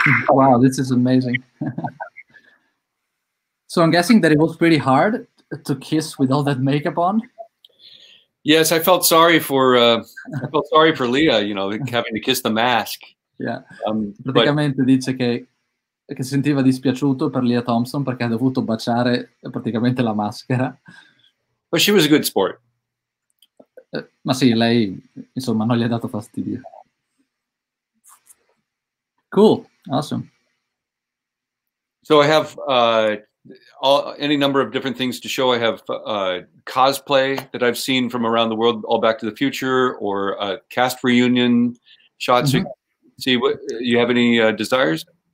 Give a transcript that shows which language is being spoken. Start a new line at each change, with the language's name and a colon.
English: Wow, this is amazing. So I'm guessing that it was pretty hard to kiss with all that makeup on. Yes, I felt sorry for Leah, you know, having to kiss the mask. Yeah.
Italian: Praticamente dice che sentiva dispiaciuto per Leah Thompson perché ha dovuto baciare praticamente la maschera.
English: But she was a good sport.
Italian: Ma sì, lei, insomma, non gli ha dato fastidio.
English: Cool, awesome. So I have any number of different things to show. I have cosplay that I've seen from around the world, all Back to the Future, or cast reunion shots. Mm-hmm. See, what you have any desires?